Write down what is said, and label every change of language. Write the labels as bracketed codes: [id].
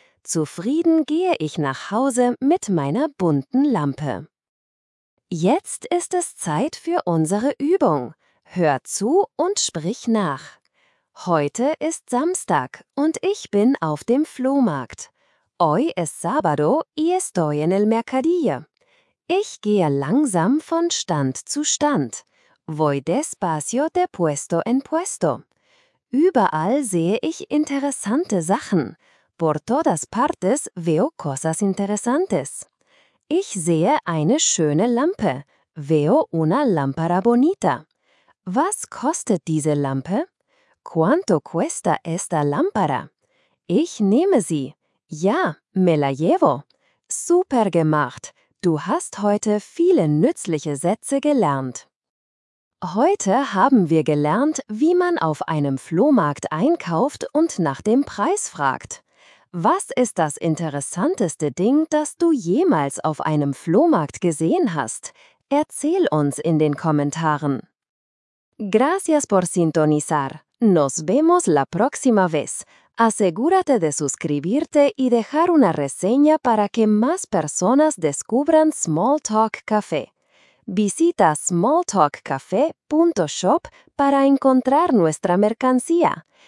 [de] Zufrieden gehe ich nach Hause mit meiner bunten Lampe. Jetzt ist es Zeit für unsere Übung. Hör zu und sprich nach. Heute ist Samstag und ich bin auf dem Flohmarkt. [es] Hoy es sábado y estoy en el mercadillo. [de] Ich gehe langsam von Stand zu Stand. [es] Voy despacio de puesto en puesto. [de] Überall sehe ich interessante Sachen. [es] Por todas partes veo cosas interesantes. [de] Ich sehe eine schöne Lampe. [es] Veo una lámpara bonita. [de] Was kostet diese Lampe? [es] ¿Cuánto cuesta esta lámpara? [de] Ich nehme sie. Ja, [es] me la llevo. [de] Super gemacht. Du hast heute viele nützliche Sätze gelernt. Heute haben wir gelernt, wie man auf einem Flohmarkt einkauft und nach dem Preis fragt. Was ist das interessanteste Ding, das du jemals auf einem Flohmarkt gesehen hast? Erzähl uns in den Kommentaren. [es] Gracias por sintonizar. Nos vemos la próxima vez. Asegúrate de suscribirte y dejar una reseña para que más personas descubran Small Talk Café. Visita smalltalkcafe.shop para encontrar nuestra mercancía.